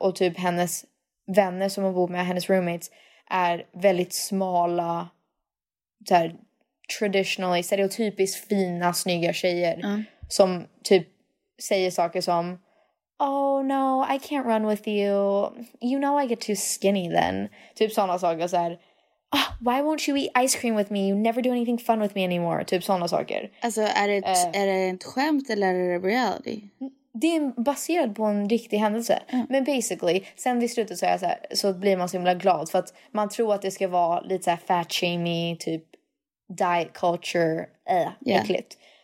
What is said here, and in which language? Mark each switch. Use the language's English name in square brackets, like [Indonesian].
[Swedish] Och typ hennes vänner som hon bor med, hennes roommates, är väldigt smala, så här, traditionally, stereotypiskt fina, snygga tjejer som typ säger saker som [English] oh no, I can't run with you. You know I get too skinny then. [Swedish] Typ sådana saker så här, [English] oh, why won't you eat ice cream with me? You never do anything fun with me anymore. [Swedish] Typ sådana saker. Alltså är det ett skämt eller är det reality? Det är baserat på en riktig händelse. Mm. Men basically, sen vid slutet så, är jag så, här, så blir man så himla glad för att man tror att det ska vara lite så här fat-shamey, typ diet culture, äckligt.